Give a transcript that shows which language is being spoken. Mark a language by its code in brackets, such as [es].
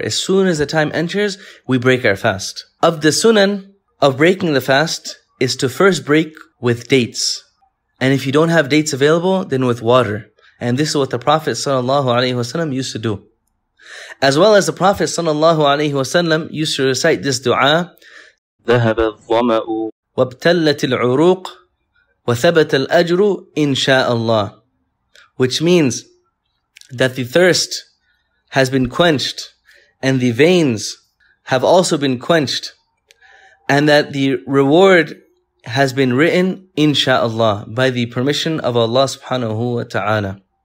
[en] As soon as the time enters, we break our fast. Of the sunan of breaking the fast is to first break with dates. And if you don't have dates available, then with water. And this is what the Prophet ﷺ used to do. As well as the Prophet ﷺ used to recite this dua, [ar] ذهب الظمأ وابتلت العروق وثبت الأجر إن شاء الله. [en] Which means that the thirst has been quenched and the veins have also been quenched, and that the reward has been written, inshaAllah, by the permission of Allah subhanahu wa ta'ala.